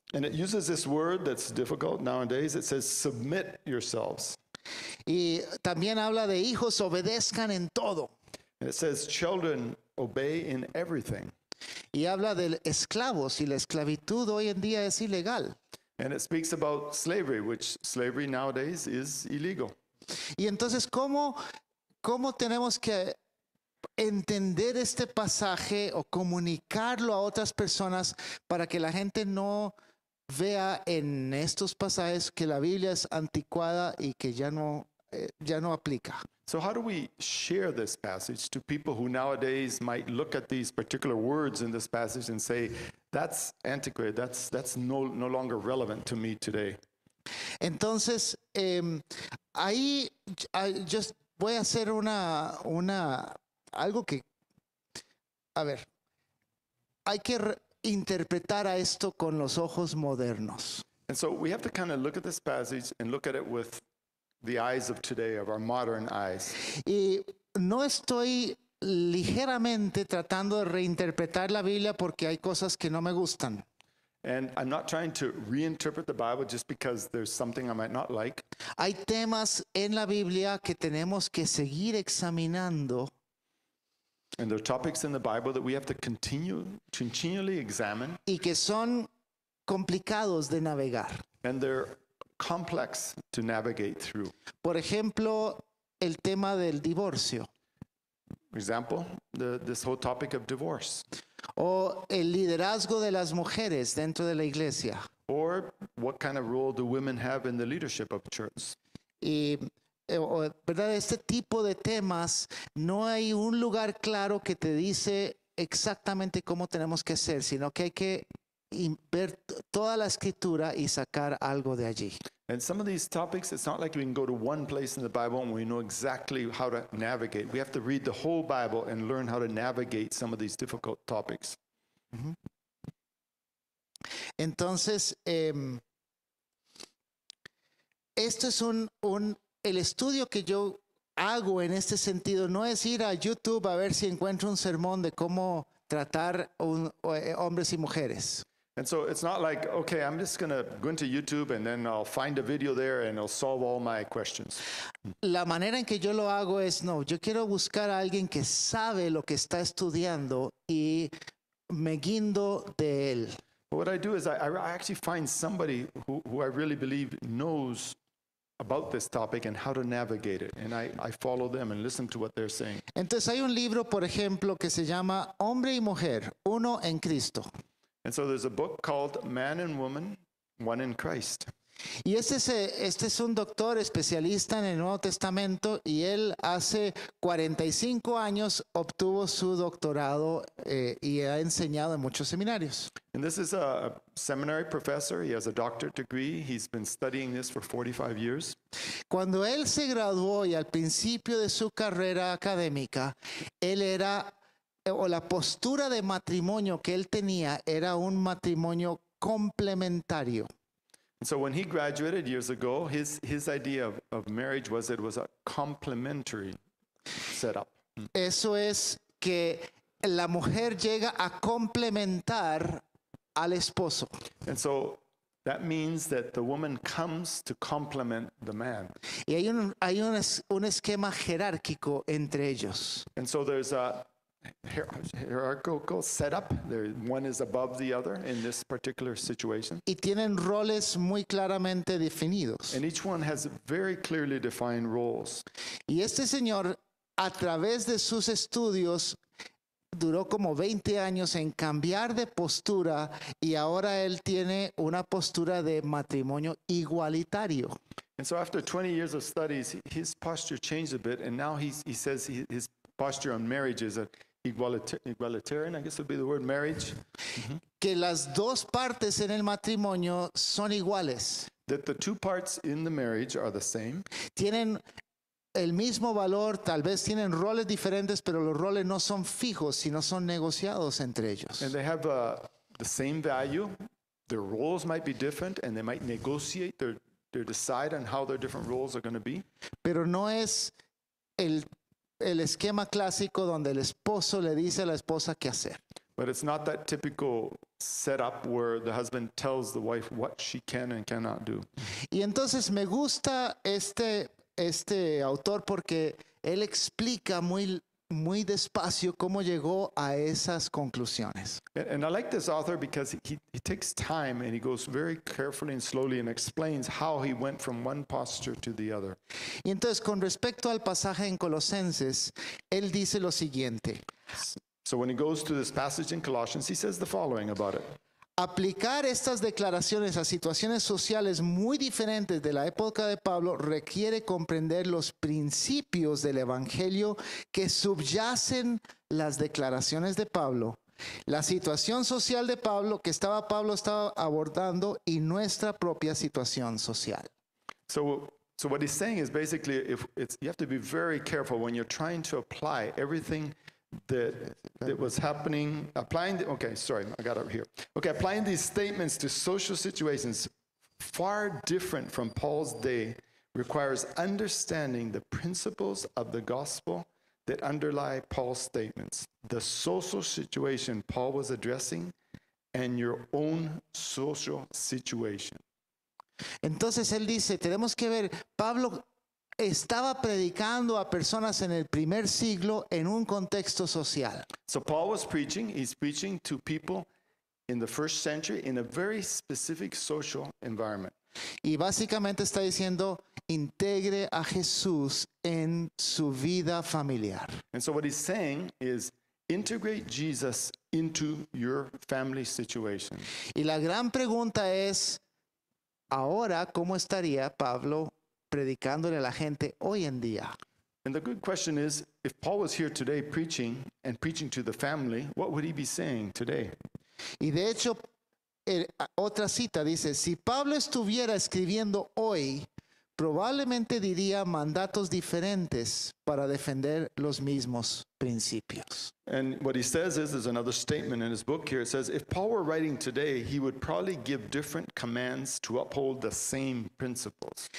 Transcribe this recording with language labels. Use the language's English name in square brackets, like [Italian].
[English] And it uses this word that's difficult nowadays. It says submit yourselves. [Spanish] Y también habla de hijos obedezcan en todo. [English] And it says children obey in everything. [Spanish] Y habla de esclavos y la esclavitud hoy en día es ilegal. [English] And it speaks about slavery, which slavery nowadays is illegal. [Spanish] Y entonces, ¿cómo tenemos que entender este pasaje o comunicarlo a otras personas para que la gente no vea en estos pasajes que la Biblia es anticuada y que ya no aplica? [English] So how do we share this passage to people who nowadays might look at these particular words in this passage and say, that's antiquated, that's no longer relevant to me today? [Spanish] Entonces, ahí [English] just [Spanish] voy a hacer una algo que, a ver, hay que interpretar a esto con los ojos modernos. [English] And so we have to kind of look at this passage and look at it with the eyes of today, of our modern eyes. [Spanish] Y no estoy ligeramente tratando de reinterpretar la Biblia porque hay cosas que no me gustan. [English] And I'm not trying to reinterpret the Bible just because there's something I might not like. [Spanish] Hay temas en la Biblia que tenemos que seguir examinando. [English] And there are topics in the Bible that we have to continually examine. [Spanish] Y que son complicados de navegar. [English] And they're complex to navigate through. [Spanish] Por ejemplo, el tema del divorcio. [English] For example, this whole topic of divorce. [Spanish] O el liderazgo de las mujeres dentro de la iglesia. [English] Or what kind of role do women have in the leadership of church? [Spanish] Y, ¿verdad? Este tipo de temas, no hay un lugar claro que te dice exactamente cómo tenemos que ser, sino que hay que ver toda la escritura y sacar algo de allí. [English] And some of these topics, it's not like we can go to one place in the Bible and we know exactly how to navigate. We have to read the whole Bible and learn how to navigate some of these difficult topics. [Spanish] Entonces, esto es el estudio que yo hago en este sentido no es ir a YouTube a ver si encuentro un sermón de cómo tratar hombres y mujeres. [English] And so it's not like, okay, I'm just going to go into YouTube and then I'll find a video there and it'll solve all my questions. [Spanish] La manera en que yo lo hago es, no, yo quiero buscar a alguien que sabe lo que está estudiando y me guindo de él. [English] But what I do is I actually find somebody who I really believe knows about this topic and how to navigate it. And I follow them and listen to what they're saying. [Spanish] Entonces hay un libro, por ejemplo, que se llama Hombre y Mujer, Uno en Cristo. [English] And so there's a book called Man and Woman, One in Christ. [Spanish] Y este es un doctor especialista en el Nuevo Testamento y él hace 45 años obtuvo su doctorado y ha enseñado en muchos seminarios. [English] And this is a seminary professor. He has a doctorate degree. He's been studying this for 45 years. [Spanish] Cuando él se graduó y al principio de su carrera académica, él era o la postura de matrimonio que él tenía era un matrimonio complementario. [English] And so when he graduated years ago, his idea of marriage was it was a complementary setup. [Spanish] Eso es que la mujer llega a complementar al esposo. [English] And so that means that the woman comes to complement the man. [Spanish] Y hay un esquema jerárquico entre ellos. [English] And so there's a hierarchical setup. One is above the other in this particular situation. [Spanish] Y tienen roles muy claramente definidos. [English] And each one has very clearly defined roles. [Spanish] Y este señor, a través de sus estudios, duró como 20 años en cambiar de postura y ahora él tiene una postura de matrimonio igualitario. [English] And so after 20 years of studies, his posture changed a bit, and now he says his posture on marriage is a igualitarian, I guess would be the word, marriage. [Spanish] Que las dos partes en el matrimonio son iguales. [English] That the two parts in the marriage are the same. [Spanish] Tienen el mismo valor, tal vez tienen roles diferentes, pero los roles no son fijos, sino son negociados entre ellos. [English] And they have the same value. Their roles might be different, and they might negotiate their decide on how their different roles are going to be. [Spanish] Pero no es el esquema clásico donde el esposo le dice a la esposa qué hacer. [English] But it's not that typical setup where the husband tells the wife what she can and cannot do. [Spanish] Y entonces me gusta este autor porque él explica muy muy despacio cómo llegó a esas conclusiones. [English] And I like this author because he takes time and he goes very carefully and slowly and explains how he went from one posture to the other. [Spanish] Y entonces, con respecto al pasaje en Colosenses, él dice lo siguiente. [English] So when he goes to this passage in Colossians, he says the following about it. [Spanish] Aplicar estas declaraciones a situaciones sociales muy diferentes de la época de Pablo requiere comprender los principios del Evangelio que subyacen las declaraciones de Pablo, la situación social de Pablo que Pablo estaba abordando y nuestra propia situación social. [English] So what he's saying is basically you have to be very careful when you're trying to apply everything that was happening, applying these statements to social situations far different from Paul's day requires understanding the principles of the gospel that underlie Paul's statements, the social situation Paul was addressing, and your own social situation. [Spanish] Entonces él dice, tenemos que ver, Pablo estaba predicando a personas en el primer siglo en un contexto social. [English] So Paul was preaching, he's preaching to people in the first century in a very specific social environment. [Spanish] Y básicamente está diciendo, integre a Jesús en su vida familiar. [English] And so what he's saying is, integrate Jesus into your family situation. [Spanish] Y la gran pregunta es, ahora, ¿cómo estaría Pablo predicándole a la gente hoy en día? [English] And the good question is, if Paul was here today preaching and preaching to the family, what would he be saying today? [Spanish] Y de hecho, otra cita dice, si Pablo estuviera escribiendo hoy, probablemente diría mandatos diferentes para defender los mismos principios. [English] And what he says is, there's another statement in his book here. It says, if Paul were writing today, he would probably give different commands to uphold the same principles.